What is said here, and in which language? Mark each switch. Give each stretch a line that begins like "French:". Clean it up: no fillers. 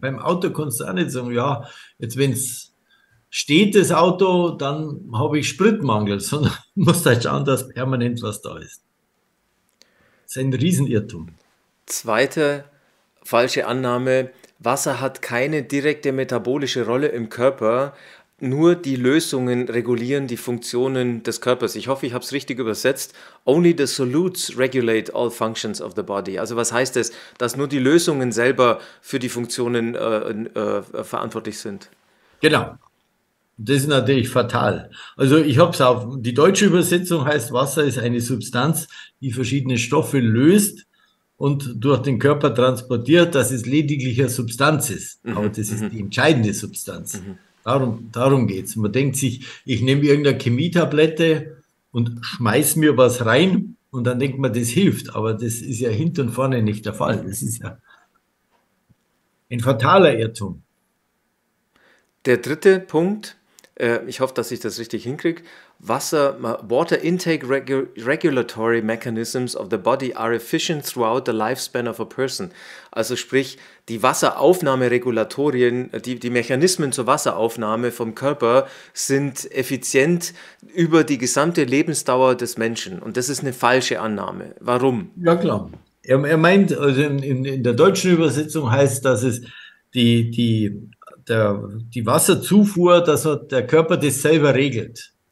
German: Beim Auto kannst du auch nicht sagen, ja, jetzt wenn es steht, das Auto, dann habe ich Spritmangel, sondern musst halt schauen, dass permanent was da ist. Das ist ein Riesenirrtum. Zweite falsche Annahme: Wasser hat keine direkte metabolische Rolle im Körper, nur die Lösungen regulieren die Funktionen des Körpers. Ich hoffe, ich habe es richtig übersetzt.
English: Only the solutes regulate all functions of the body.
German: Also was heißt das? Dass nur die Lösungen selber für die Funktionen verantwortlich sind. Genau. Das ist natürlich fatal. Also ich habe es auf, die deutsche Übersetzung heißt, Wasser ist eine Substanz, die verschiedene Stoffe löst und durch den Körper transportiert, dass es lediglich eine Substanz ist. Aber das ist die entscheidende Substanz. Darum geht es. Man denkt sich, ich nehme irgendeine Chemietablette und schmeiß mir was rein und dann denkt man, das hilft. Aber das ist ja hinten und vorne nicht der Fall. Das ist ja ein fataler Irrtum. Der dritte Punkt, ich hoffe, dass ich das richtig hinkriege.
English: Water intake regulatory mechanisms of the body are efficient throughout the lifespan of a person.
German: Also sprich, die Wasseraufnahmeregulatorien, die Mechanismen zur Wasseraufnahme vom Körper sind effizient über die gesamte Lebensdauer des Menschen. Und das ist eine falsche Annahme. Warum? Ja, klar. Er meint, also in der deutschen Übersetzung heißt, dass es die Wasserzufuhr, dass der Körper das selber regelt.